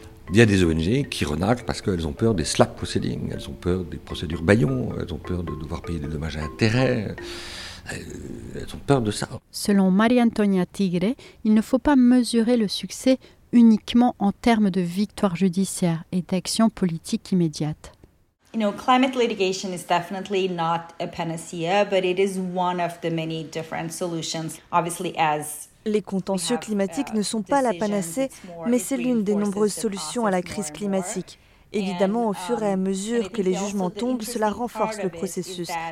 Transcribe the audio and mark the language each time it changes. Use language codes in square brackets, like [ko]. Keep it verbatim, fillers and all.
[fr] Il y a des O N G qui renaclent parce qu'elles ont peur des slap proceedings, elles ont peur des procédures Bayon, elles ont peur de devoir payer des dommages à intérêt, elles ont peur de ça. Selon Maria-Antonia Tigre, il ne faut pas mesurer le succès uniquement en termes de victoire judiciaire et d'action politique immédiate. [en] You know, climate litigation is definitely not a panacea, but it is one of the many different solutions. Obviously, as [fr] les contentieux climatiques ne sont pas la panacée, mais c'est l'une des nombreuses solutions à la crise climatique. Évidemment, au fur et à mesure que les jugements tombent, cela renforce le processus.